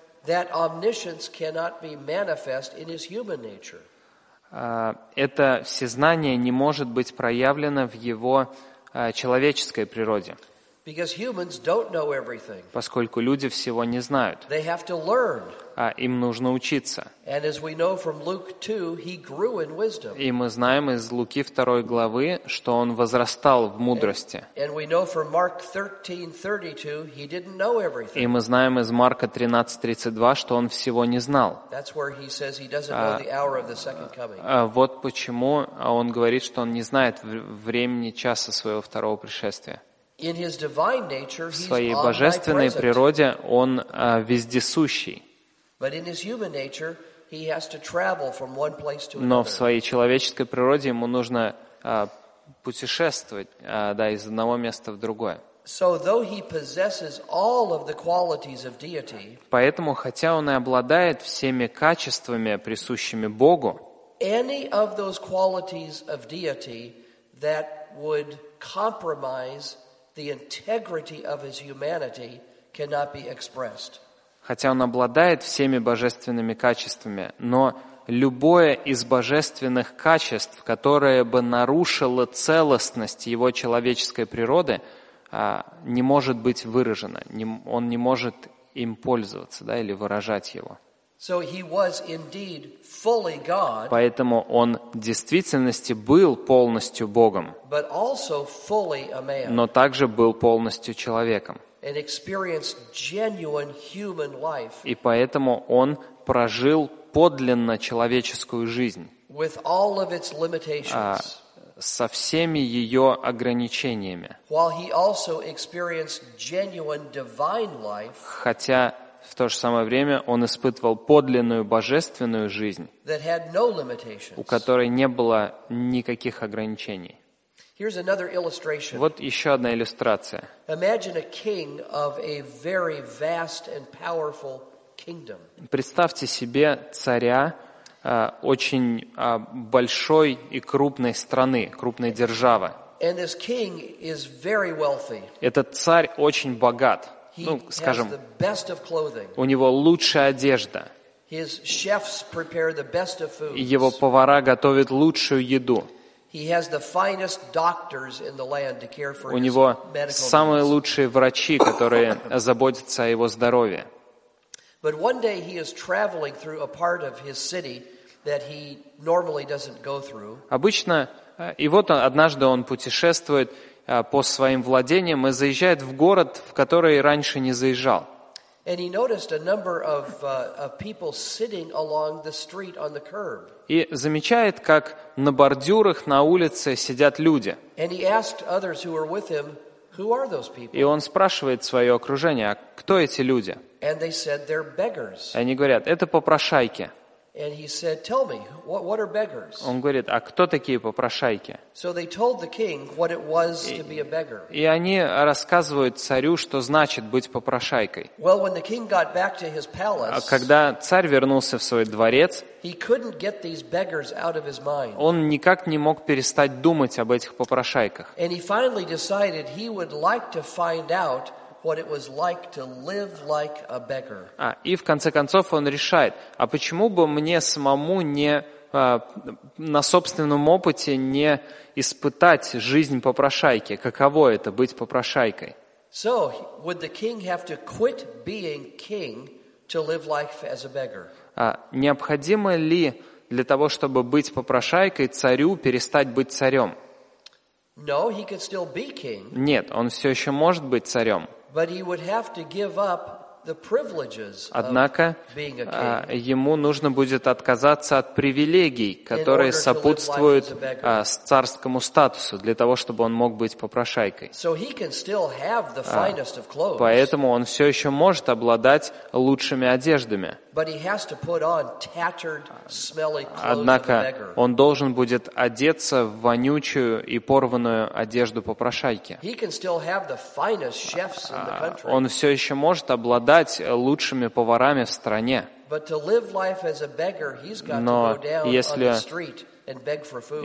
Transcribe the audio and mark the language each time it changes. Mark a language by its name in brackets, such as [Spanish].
[English] that omniscience cannot be manifest in his human nature. [Russian] Это всезнание не может быть проявлено в его человеческой природе. [English] Because humans don't know everything. [Russian] Поскольку люди всего не знают. [English] They have to learn. [Russian] А им нужно учиться. [English] And as we know from Luke 2, he grew in wisdom. [Russian] И мы знаем из Луки 2 главы, что он возрастал в мудрости. [English] And we know from Mark 13:32, he didn't know everything. [Russian] И мы знаем из Марка 13:32, что он всего не знал. [English] That's where he says he doesn't know the hour of the second coming. [Russian] Вот почему он говорит, что он не знает времени часа своего второго пришествия. [English] In his divine nature, he's [Russian] в своей божественной природе он вездесущий. [English] But in his human nature, he has to travel from one place to another. [Russian] Но в своей человеческой природе ему нужно путешествовать, из одного места в другое. [English] So though he possesses all of the qualities of deity, [Russian] поэтому хотя он и обладает всеми качествами, присущими Богу, [English] any of those qualities of deity that would compromise the integrity of his humanity cannot be expressed. [Russian] Хотя он обладает всеми божественными качествами, но любое из божественных качеств, которое бы нарушило целостность его человеческой природы, не может быть выражено, он не может им пользоваться, да, или выражать его. [English] So he was indeed fully God, [Russian] поэтому он в действительности был полностью Богом, [English] but also fully a man, [Russian] но также был полностью человеком. [English] And experienced genuine human life, [Russian] и поэтому он прожил подлинно человеческую жизнь [English] with all of its limitations, [Russian] со всеми ее ограничениями. [English] While he also experienced genuine divine life, [Russian] хотя в то же самое время он испытывал подлинную божественную жизнь, [English] that had no limitations, [Russian] у которой не было никаких ограничений. [English] Here's another illustration. [Russian] Вот еще одна иллюстрация. [English] Imagine a king of a very vast and powerful kingdom. [Russian] Представьте себе царя очень большой и крупной страны, крупной державы. [English] And this king is very wealthy. [Russian] Этот царь очень богат. Ну, скажем, [English] he has the best of clothing. [Russian] У него лучшая одежда. [English] His chefs prepare the best of foods. [Russian] И его повара готовят лучшую еду. [English] He has the finest doctors in the land to care for his medical needs. [Russian] У него самые лучшие врачи, которые заботятся о его здоровье. [English] But one day he is traveling through a part of his city that he normally doesn't go through. [Russian] Обычно, и вот однажды он путешествует по своим владениям и заезжает в город, в который раньше не заезжал. [English] And he noticed a number of people sitting along the street on the curb. [Russian] И замечает, как на бордюрах на улице сидят люди. [English] And he asked others who were with him, who are those people? [Russian] И он спрашивает свое окружение, а кто эти люди? [English] And they said they're beggars. [Russian] Они говорят, это попрошайки. [English] And he said, tell me, what are beggars? [Russian] Он говорит, а кто такие попрошайки? [English] So they told the king what it was to be a beggar. [Russian] И они рассказывают царю, что значит быть попрошайкой. [English] Well, when the king got back to his palace, [Russian] когда царь вернулся в свой дворец, [English] he couldn't get these beggars out of his mind. [Russian] Он никак не мог перестать думать об этих попрошайках. [English] And he finally decided he would like to find out what it was like to live like a beggar. [Russian] А, и в конце концов он решает, а почему бы мне самому не на собственном опыте не испытать жизнь попрошайки? Каково это быть попрошайкой? [English] So, would the king have to quit being king to live life as a beggar? [Russian] А, необходимо ли для того, чтобы быть попрошайкой, царю перестать быть царем? [English] No, he could still be king. [Russian] Нет, он все еще может быть царем. [English] But he would have to give up the privileges of being a king. [Russian] Однако ему нужно будет отказаться от привилегий, которые сопутствуют царскому статусу, для того чтобы он мог быть попрошайкой. [English] So he can still have the finest of clothes. [Russian] Поэтому он все еще может обладать лучшими одеждами. [English] But he has to put on tattered, smelly clothes. [Russian] Однако он должен будет одеться в вонючую и порванную одежду попрошайки. [English] He can still have the finest chefs in the country. [Russian] Он все еще может обладать лучшими поварами в стране. [English] But to live life as a beggar, he's got to go down on the street and beg for food.